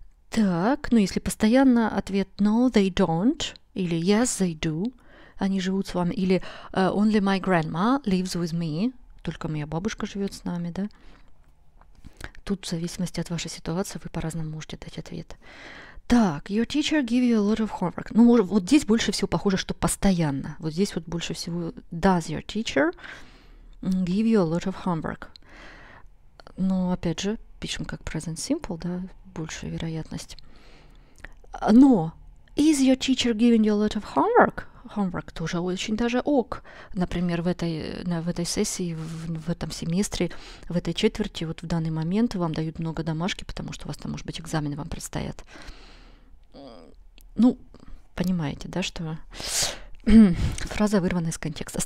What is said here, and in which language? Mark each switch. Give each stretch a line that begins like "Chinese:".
Russian: Так, ну если постоянно ответ
English: no, they don't,
Russian: или
English: yes, they do,
Russian: они живут с вами, или
English: only my grandma lives with me,
Russian: только моя бабушка живет с нами, да? Тут в зависимости от вашей ситуации вы по-разному можете дать ответ. Так,
English: your teacher give you a lot of homework.
Russian: Ну, может, вот здесь больше всего похоже, что постоянно. Вот здесь вот больше всего
English: does your teacher give you a lot of homework?
Russian: Но опять же, пишем как present simple, да, большая вероятность. Но
English: is your teacher giving you a lot of homework?
Russian: Homework тоже очень даже ок. Например, в этой сессии, в этом семестре, в этой четверти, вот в данный момент вам дают много домашки, потому что у вас там, может быть, экзамены вам предстоят. Ну, понимаете, да, что фраза вырвана из контекста.